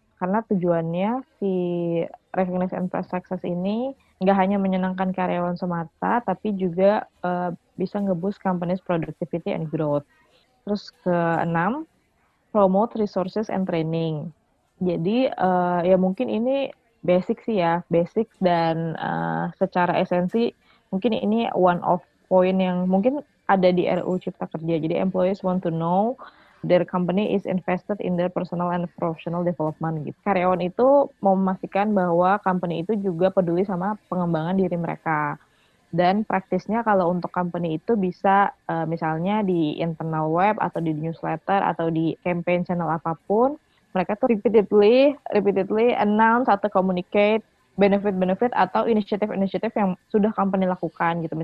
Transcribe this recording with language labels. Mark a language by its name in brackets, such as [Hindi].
[Indonesian] Karena tujuannya si [English] recognize and face success [Indonesian] ini nggak hanya menyenangkan karyawan semata, tapi juga bisa nge-boost [English] company's productivity and growth. [Indonesian] Terus ke-6, [English] promote resources and training. [Indonesian] Jadi ya mungkin ini basic sih ya, basic dan secara esensi mungkin ini [English] one of point [Indonesian] yang mungkin ada di RU Cipta Kerja. Jadi [English] employees want to know their company is invested in their personal and professional development [Indonesian] gitu. Karyawan itu mau memastikan bahwa company itu juga peduli sama pengembangan diri mereka. Dan praktisnya kalau untuk company itu bisa misalnya di internal web atau di newsletter atau di campaign channel apapun, mereka tuh [English] repeatedly announce [Indonesian] atau [English] communicate [Indonesian] benefit-benefit atau inisiatif-inisiatif yang sudah company lakukan gitu.